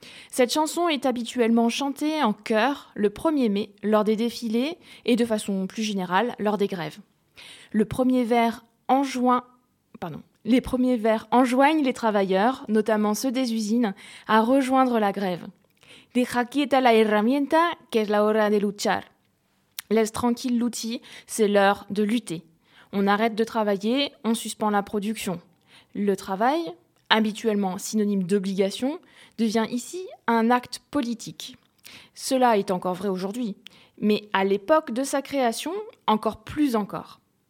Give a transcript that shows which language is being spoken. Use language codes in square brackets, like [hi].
[fr] Cette chanson est habituellement chantée en chœur le 1er mai lors des défilés et de façon plus générale lors des grèves. Les premiers vers enjoignent les travailleurs, notamment ceux des usines, à rejoindre la grève. [es] Deja quieta la herramienta, que es la hora de luchar. [fr] Laisse tranquille l'outil, c'est l'heure de lutter. On arrête de travailler, on suspend la production. Le travail, habituellement synonyme d'obligation, devient ici un acte politique. Cela est encore vrai aujourd'hui, mais à l'époque de sa création, encore plus encore.